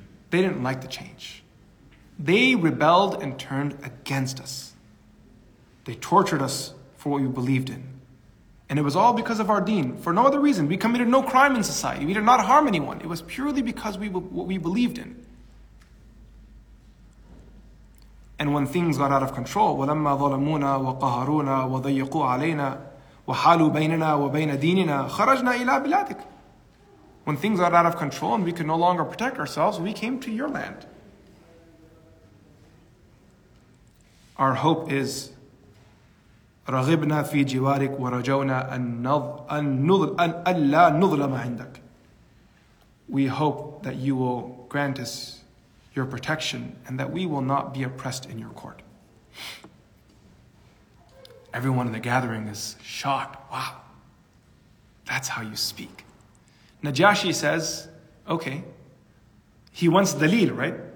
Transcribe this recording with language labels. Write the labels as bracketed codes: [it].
[en] They didn't like the change. They rebelled and turned against us. They tortured us for what we believed in. And it was all because of our deen. For no other reason. We committed no crime in society. We did not harm anyone. It was purely because what we believed in. And when things got out of control, [ar] وَلَمَّا ظَلَمُونَا وَقَهَرُونَا وَضَيِّقُوا عَلَيْنَا وَحَالُوا بَيْنَنَا وَبَيْنَ دِينِنَا خَرَجْنَا إِلَىٰ بِلَادِكَ. [en] When things are out of control and we can no longer protect ourselves, we came to your land. Our hope is [ar] رَغِبْنَا فِي جِوَارِكَ وَرَجَوْنَا أَلَّا نُظْلَمَ عِنْدَكَ. [en] We hope that you will grant us your protection and that we will not be oppressed in your court. Everyone in the gathering is shocked. Wow, that's how you speak. Najashi says, okay, he wants dalil, right?